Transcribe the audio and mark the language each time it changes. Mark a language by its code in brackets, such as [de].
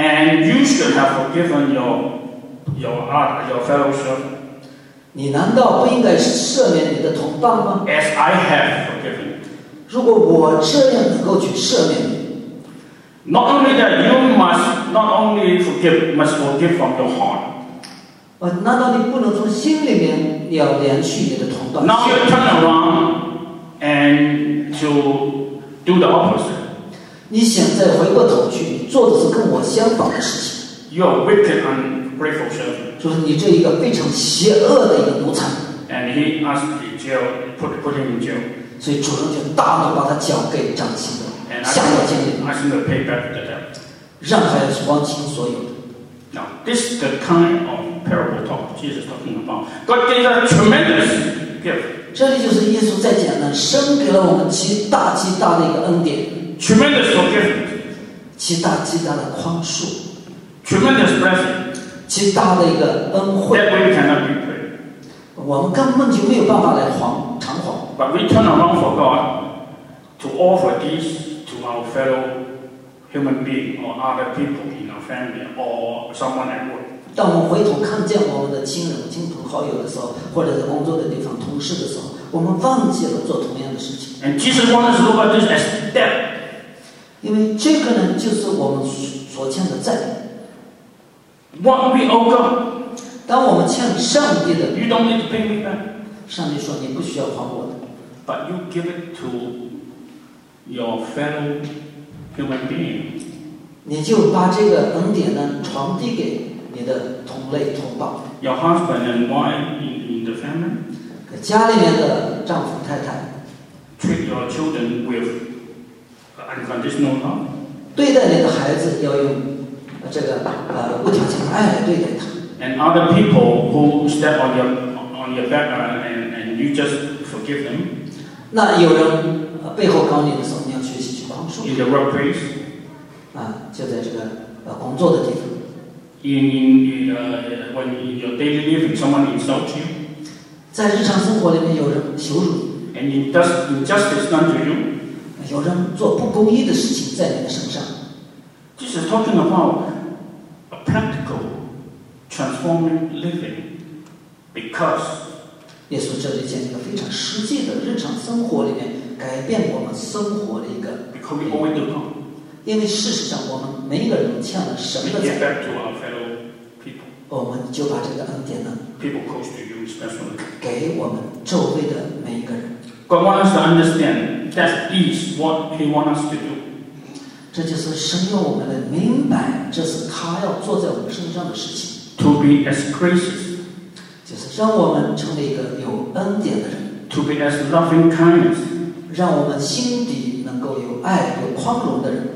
[en] And you should have forgiven your fellow servant. [zh] 你难道不应该赦免你的同伴吗 [en] ？As I have forgiven. [zh] 如果我这样能够去赦免你 [en] ，Not only that, you must not only forgive, must forgive from your heart. [zh] 难道你不能从心里面要连续你的同伴 [en] Now you turn around and to do the opposite. [zh] 你现在回过头去做的是跟我相反的事情 [en] You are wicked and ungrateful servant. [zh] 就是你这一个非常邪恶的一个奴才 [en] And he asked the jail, put him in jail. [zh] 所以主人就大怒把他交给掌刑的下落监狱 [en] I think he'll pay back the debt. [zh] 让他要还清所有的 [en] Now this is the kind ofparable talk Jesus talking about. God gave us a tremendous gift. [zh] 这里就是耶稣在讲的，神给了我们极大极大的一个恩典。 [en] Tremendous forgiveness. [zh] 极大极大的宽恕。 [en] Tremendous blessing. [zh] 极大的一个恩惠。 [en] That we cannot repay. [zh] 我们根本就没有办法来还偿还。 [en] But we turn around for God to offer this to our fellow human being or other people in our family or someone at work. [zh] 当我们回头看见我们的亲人、亲朋好友的时候，或者在工作的地方、同事的时候，我们忘记了做同样的事情。 [en] And Jesus wants to look at this as debt. [zh] 因为这个呢，就是我们所欠的债。 [en] What we owe God. [zh] 当我们欠上帝的 [en] ，You don't need to pay me back. [zh] 上帝说你不需要还我的。 [en] But you give it to your fellow human being. [zh] 你就把这个恩典呢传递给。你的同类同胞。 [en] Your husband and wife in the family. [zh] 家里面的丈夫太太。 [en] Treat your children with unconditional love. [zh] 对待你的孩子要用这个无条件的爱来对待他。 [en] And other people who step on your back and you just forgive them. [zh] 那有人背后搞你的时候，你要学习去宽恕。 [en] In the workplace. [zh] 就在这个工作的地方。 [en] When your daily living, someone insults you. [zh] 在日常生活里面有人羞辱。 [en] And it does injustice done to you. [zh] 有人做不公义的事情在你的身上。 [en] This is talking about a practical, transforming living, because. [zh] 耶稣这里讲一个非常实际的日常生活里面改变我们生活的一个。 [en] Because we always do wrong. [zh] 因为事实上我们每一个人欠了神的 [en] 债。Get back to our fellow people. [zh] 我们就把这个恩典呢。 [en] People close to you, especially. [zh] 给我们周围的每一个人。 [en] God wants us to understand that is what He wants us to do. [zh] 这就是神要我们来明白，这是他要做在我们身上的事情。 [en] To be as gracious. [zh] 就是让我们成为一个有恩典的人。 [en] To be as loving kindness. [zh] 让我们心底能够有爱、有宽容的人。